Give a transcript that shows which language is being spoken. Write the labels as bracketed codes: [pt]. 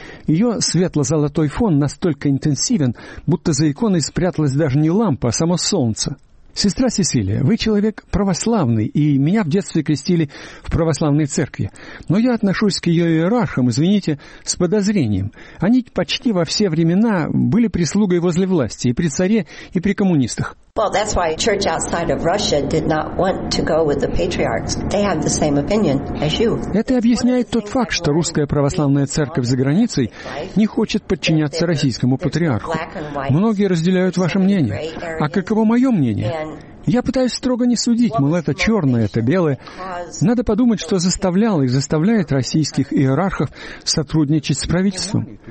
[ru] Ее светло-золотой фон настолько интенсивен, будто за иконой спряталась даже не лампа, а само солнце. Сестра Сесилия, вы человек православный, и меня в детстве крестили в православной церкви. Но я отношусь к ее иерархам, извините, с подозрением. Они почти во все времена были прислугой возле власти, и при царе, и при коммунистах. [en] Well, that's why church outside of Russia did not want to go with the patriarchs. They have the same opinion as you. [ru] Это объясняет тот факт, что русская православная церковь за границей не хочет подчиняться российскому патриарху. Многие разделяют ваше мнение. А каково мое мнение? Я пытаюсь строго не судить, мол, это черное, это белое. Надо подумать, что заставляло и заставляет российских иерархов сотрудничать с правительством.